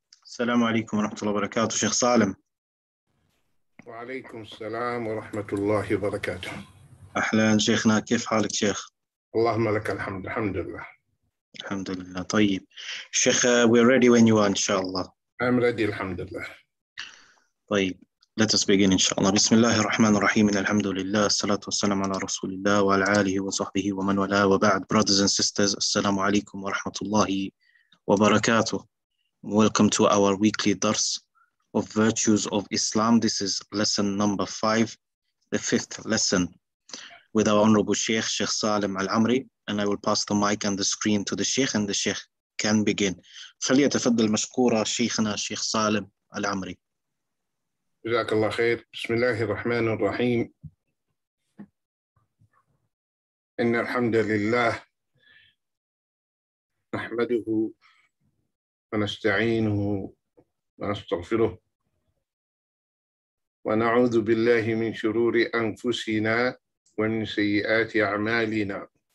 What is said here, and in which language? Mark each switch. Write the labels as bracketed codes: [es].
[ar] السلام عليكم ورحمة الله وبركاته، شيخ سالم. وعليكم السلام ورحمة الله وبركاته. أهلا شيخنا، كيف حالك شيخ؟ اللهم لك الحمد، الحمد لله. الحمد لله. طيب شيخ، [en] we're ready when you are [ar] إن شاء الله. [en] I'm ready [ar] الحمد لله. طيب [en] let us begin [ar] إن شاء الله. بسم الله الرحمن الرحيم، الحمد لله، الصلاة والسلام على رسول الله وعلى آله وصحبه ومن ولا، وبعد. [en] brothers and sisters، [ar] السلام عليكم ورحمة الله وبركاته. [en] Welcome to our weekly Dars of Virtues of Islam. This is lesson number 5, the fifth lesson, with our Honorable Sheikh, Sheikh Salim Al-Amri. And I will pass the mic and the screen to the Sheikh, and the Sheikh can begin. [ar] فليتفضل مشكورا شيخنا شيخ سالم العمري. جزاك الله خير. بسم الله الرحمن الرحيم. إن الحمد لله نحمده ونستعينه ونستغفره ونعوذ بالله من شرور أنفسنا ومن سيئات أعمالنا،